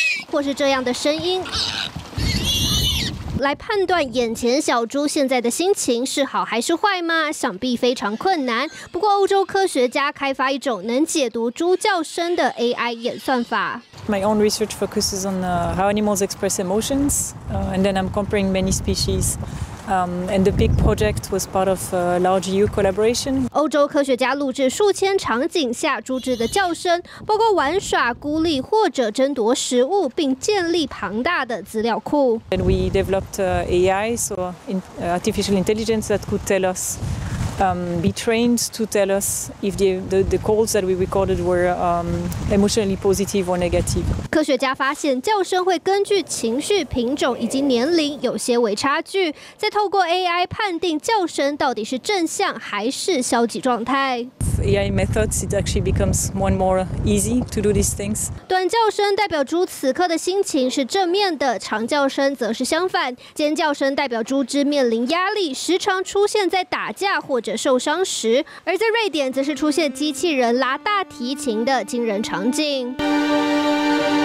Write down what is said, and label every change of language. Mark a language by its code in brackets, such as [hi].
[zh] 或是这样的声音来判断眼前小猪现在的心情是好还是坏吗？想必非常困难。不过欧洲科学家开发一种能解读猪叫声的 AI 演算法。 [en] My own research focuses on how animals express emotions, and then I'm comparing many species. And the big project was part of a large EU collaboration. [zh] 欧洲科学家录制数千场景下猪只的叫声，包括玩耍、孤立或者争夺食物，并建立庞大的资料库。 [en] And we developed AI, so artificial intelligence that could tell us. be trained to tell us if the calls that we recorded were emotionally positive or negative. [zh] 科学家发现，叫声会根据情绪、品种以及年龄有些微差距，再透过 AI 判定叫声到底是正向还是消极状态。 [en] AI methods it actually becomes more and more easy to do these things. [zh] 短叫声代表猪此刻的心情是正面的，长叫声则是相反。尖叫声代表猪只面临压力，时常出现在打架或者受伤时。而在瑞典，则是出现机器人拉大提琴的惊人场景。